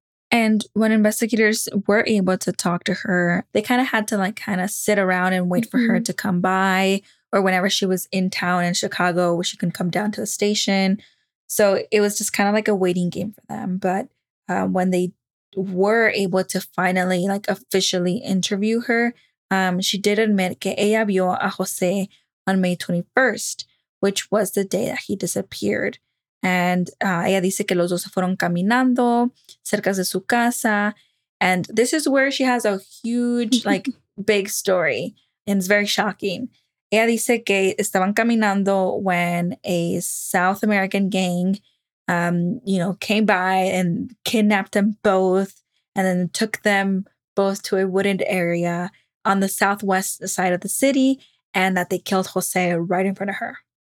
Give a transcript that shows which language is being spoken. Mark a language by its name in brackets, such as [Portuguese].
[English] And when investigators were able to talk to her, they kind of had to like kind of sit around and wait for her to come by, or whenever she was in town in Chicago, where she can come down to the station. So it was just kind of like a waiting game for them. But when they were able to finally, like, officially interview her, she did admit [Spanish] que ella vio a Jose [English] on May 21st, which was the day that he disappeared. [Spanish] And ella dice que los dos se fueron caminando cerca de su casa. [English] And this is where she has a huge, like, big story. And it's very shocking. [Spanish] Ella dice que estaban caminando [English] when a South American gang, you know, came by and kidnapped them both and then took them both to a wooded area on the southwest side of the city, and that they killed Jose right in front of her.